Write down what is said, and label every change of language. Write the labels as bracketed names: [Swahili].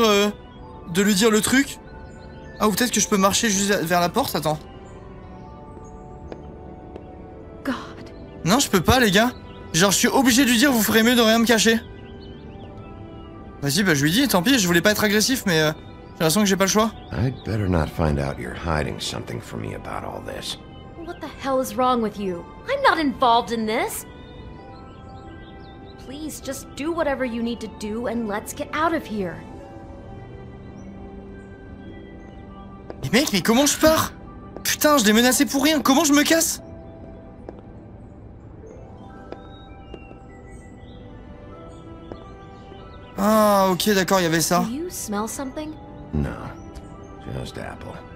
[French] de lui dire le truc. Ah, ou peut-être que je peux marcher juste vers la porte, attends. [English] God. [French] Non, je peux pas, les gars. Genre, je suis obligé de lui dire, vous ferez mieux de rien me cacher. Vas-y, bah je lui dis, tant pis, je voulais pas être agressif, mais... J'ai l'impression que j'ai pas le choix. [English] I'd better not find out you're hiding something from me about all this. What the hell is wrong with you? I'm not involved in this. Please, just do whatever you need to do and let's get out of here. [French] Mais mec, mais comment je pars? Putain, je l'ai menacé pour rien, comment je me casse? Ah, ok, d'accord, il y avait ça. [English] Do you smell something? No, just apple.